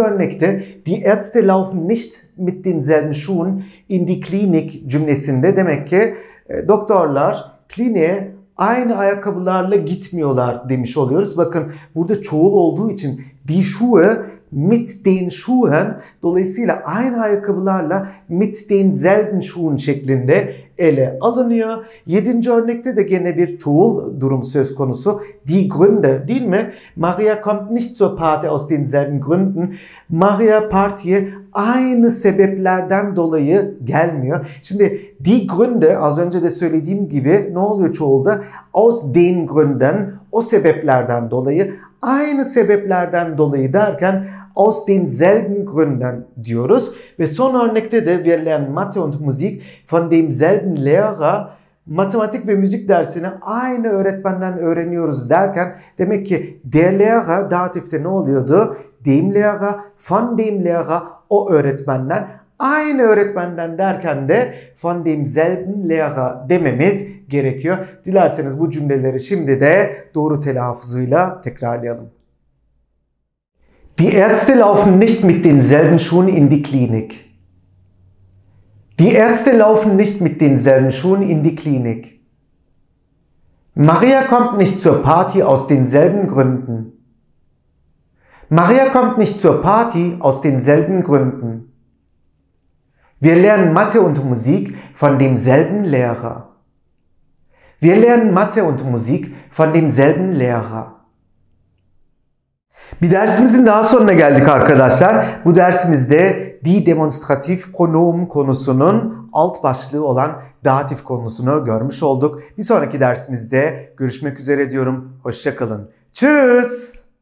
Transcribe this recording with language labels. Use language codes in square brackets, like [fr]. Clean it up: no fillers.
[tr] örnekte [de] die Ärzte laufen nicht mit denselben Schuhen in die Klinik [tr] cümlesinde demek ki doktorlar kliniğe aynı ayakkabılarla gitmiyorlar demiş oluyoruz. Bakın burada çoğul olduğu için [de] die Schuhe mit den Schuhen, [tr] dolayısıyla aynı ayakkabılarla [de] mit denselben Schuhen [tr] şeklinde ele alınıyor. 7. örnekte de gene bir çoğul durum söz konusu. [de] Die Gründe [tr] değil mi? [de] Maria kommt nicht zur Party aus denselben Gründen. [tr] Maria partiye aynı sebeplerden dolayı gelmiyor. Şimdi die Gründe az önce de söylediğim gibi ne oluyor çoğulda? [de] Aus den Gründen, [tr] o sebeplerden dolayı. Aynı sebeplerden dolayı derken [de] aus denselben Gründen [tr] diyoruz. Ve son örnekte de [de] wir lernen Mathe und Musik von demselben Lehrer, [tr] matematik ve müzik dersini aynı öğretmenden öğreniyoruz derken demek ki der Lehrer datifte ne oluyordu? [de] Dem Lehrer, von dem Lehrer, [tr] o öğretmenden, aynı öğretmenden derken de [de] von demselben Lehrer [tr] dememiz gerekiyor. Dilerseniz bu cümleleri şimdi de doğru telaffuzuyla tekrarlayalım. [de] Die Ärzte laufen nicht mit denselben Schuhen in die Klinik. Die Ärzte laufen nicht mit denselben Schuhen in die Klinik. Maria kommt nicht zur Party aus denselben Gründen. Maria kommt nicht zur Party aus denselben Gründen. Wir lernen Mathe und Musik von demselben Lehrer. Wir lernen Mathe und Musik von demselben Lehrer. [tr] Bir dersimizin daha sonuna geldik arkadaşlar. Bu dersimizde [de] die demonstrativ pronomen [tr] konusunun alt başlığı olan datif konusunu görmüş olduk. Bir sonraki dersimizde görüşmek üzere diyorum. Hoşça kalın. Tschüss.